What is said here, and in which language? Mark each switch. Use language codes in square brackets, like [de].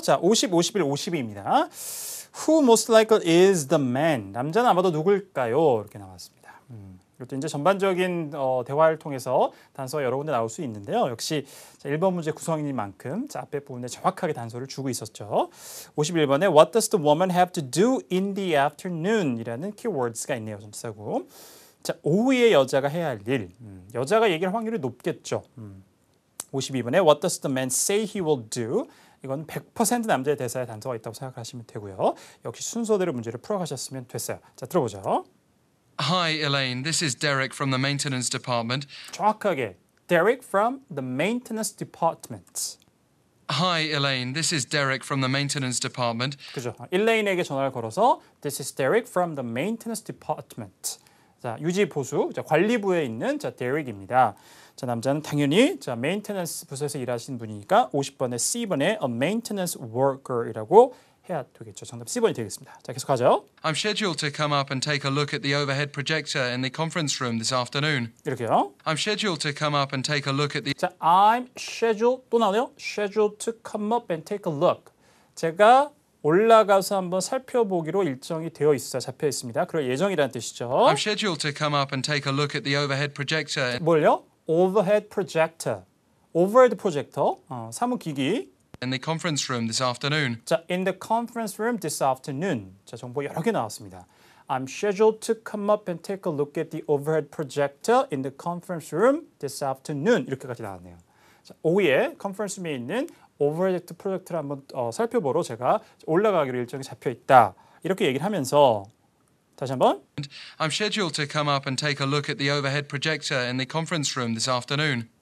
[ko] 자, 50, 51, 52입니다. [en] Who most likely is the man? [ko] 남자는 아마도 누굴까요? 이렇게 나왔습니다. 이것도 이제 전반적인 대화를 통해서 단서가 여러 군데 나올 수 있는데요. 역시 자, 1번 문제 구성인 만큼 자, 앞에 부분에 정확하게 단서를 주고 있었죠. 51번에 [en] What does the woman have to do in the afternoon? [ko] 이라는 키워드가 있네요. 좀 쓰고. 자, 오후에 여자가 해야 할 일. 여자가 얘기할 확률이 높겠죠. 52번에 [en] What does the man say he will do? [ko] 이건 100% 남자의 대사의 단서가 있다고 생각하시면 되고요. 역시 순서대로 문제를 풀어가셨으면 됐어요. 자, 들어보죠. [en] Hi, Elaine. This is Derek from the maintenance department. [ko] 정확하게, [en] Derek from the maintenance department. Hi, Elaine. This is Derek from the maintenance department. [ko] 그죠. 일레인에게 전화를 걸어서 [en] This is Derek from the maintenance department. [ko] 자, 유지 보수, 자, 관리부에 있는 자, Derek입니다. 자, 남자는 당연히 자, maintenance 부서에서 일하신 분이니까 50번에 C번에 [en] a maintenance worker [ko] 이라고 해야 되겠죠. 정답 C번이 되겠습니다. 자, 계속 가죠. [en] I'm scheduled to come up and take a look at the overhead projector in the conference room this afternoon. [ko] 이렇게요. [en] I'm scheduled to come up and take a look at the [ko] 자, I'm scheduled 또 나오네요. [en] scheduled to come up and take a look. [ko] 제가 올라가서 한번 살펴보기로 일정이 되어 있어요. 잡혀 있습니다. 그럴 예정이라는 뜻이죠. [en] I'm scheduled to come up and take a look at the overhead projector. [ko] 뭘요? [en] overhead projector. overhead projector. [ko] 사무기기. [en] In the conference room this afternoon. 자, in the conference room this afternoon. [ko] 자, 정보 여러 개 나왔습니다. [en] I'm scheduled to come up and take a look at the overhead projector in the conference room this afternoon. [ko] 이렇게까지 나왔네요. 자, 오후에 conference room에 있는 overhead projector를 한번 살펴보러 제가 올라가기로 일정이 잡혀 있다. 이렇게 얘기를 하면서 다시 한번 [en] I'm scheduled to come up and take a look at the overhead projector in the conference room this afternoon.